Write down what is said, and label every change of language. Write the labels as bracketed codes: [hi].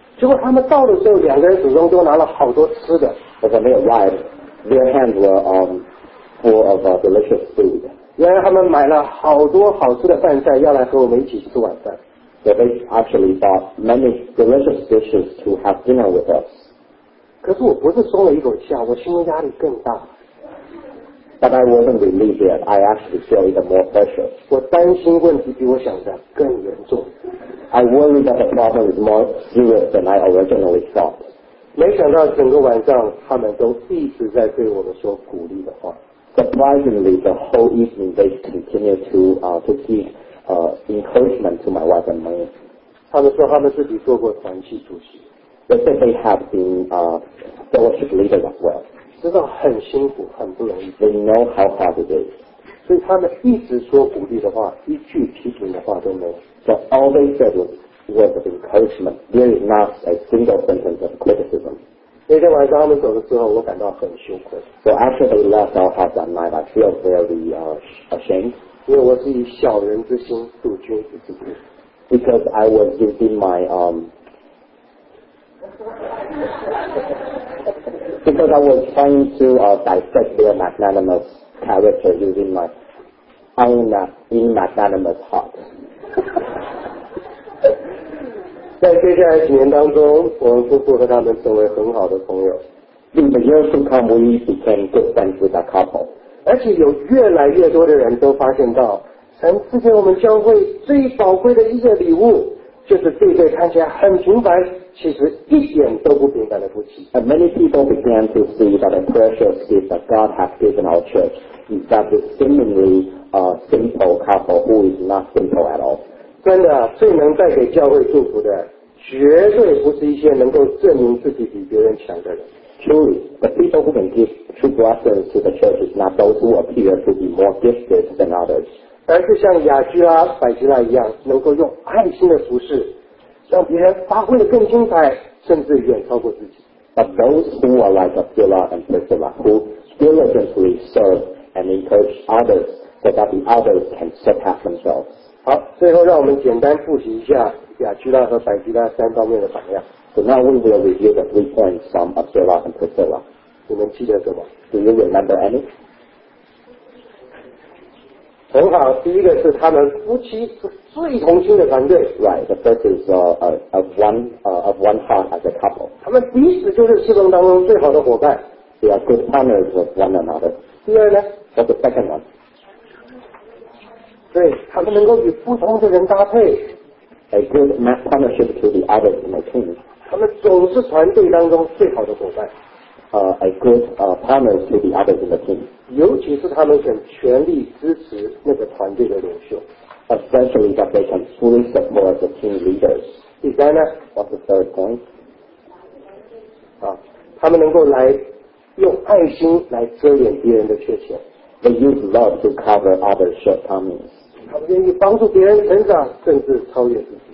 [zh] 结果他们到的时候两个人手中都拿了好多吃的 [en] but when they arrived, their hands were full of delicious food. [zh] 原来他们买了好多好吃的饭菜，要来和我们一起吃晚餐。 [en] So they actually bought many delicious dishes to have dinner with us. [zh] 可是我不是松了一口气啊，我心中压力更大。 [en] But I wasn't relieved yet. I actually feel even more pressure. [zh] 我担心问题比我想的更严重。 [en] I worry that the problem is more serious than I originally thought. [zh] 没想到整个晚上他们都一直在对我们说鼓励的话。 [en] Surprisingly, the whole evening they continued to keep encouragement to my wife and me. [zh] 他们说他们自己做过团契主席。 [en] They said they have been fellowship leaders as well. [zh] 知道很辛苦，很不容易。 [en] They know how hard it is. [zh] 所以他们一直说鼓励的话，一句批评的话都没有。 [en] So all they said was encouragement. There is not a single sentence of criticism. [zh] 那天晚上他们走了之后，我感到很羞愧。 [en] So after they left our house that night, I feel very ashamed. [zh] 因为我是以小人之心度君子之腹。 [en] Because I was using my Because I was trying to dissect their magnanimous character using my unmagnanimous heart. [zh] 在接下来几年当中，我们夫妇和他们成为很好的朋友。 [en] In the years to come, we became good friends with that couple. [zh] 而且有越来越多的人都发现到，神赐给我们教会最宝贵的一个礼物。就是对对看起来很平凡，其实一点都不平凡的夫妻。 [en] And many people began to see that a precious gift that God has given our church is that a seemingly simple couple who is not simple at all. [zh] 真的，最能带给教会祝福的，绝对不是一些能够证明自己比别人强的人。 [en] Truly, the people who can give true blessings to the church is not those who appear to be more gifted than others. [zh] 而是像亚居拉、百吉拉一样，能够用爱心的服侍，让别人发挥得更精彩，甚至远超过自己。 [en] But those who are like Aquila and Priscilla, who diligently serve and encourage others, so that the others can surpass themselves. [zh] 好，最后让我们简单复习一下亚居拉和百吉拉三方面的榜样。 [en] So now we will review the three points from Aquila and Priscilla. [zh] 你们记得什么 [en] ？Do you remember any? [zh] 很好，第一个是他们夫妻是最同心的团队。 [en] Right, the first is of one heart as a couple. [zh] 他们彼此就是侍奉当中最好的伙伴。 [en] They are good partners with one another. [zh] 第二呢 [en] ？What's the second one? [zh] 对，他们能够与不同的人搭配。 [en] A good partnership to the others in the team. [zh] 他们总是团队当中最好的伙伴。 [en] A good partner to the others in the team. [zh] 尤其是他们肯全力支持那个团队的领袖。 [en] Especially that they can fully support the team leaders. [zh] 第三呢 [en] ？What's the third point? [zh] 啊，他们能够来用爱心来遮掩别人的缺陷。 [en] They use love to cover others' shortcomings. [zh] 他们愿意帮助别人成长，甚至超越自己。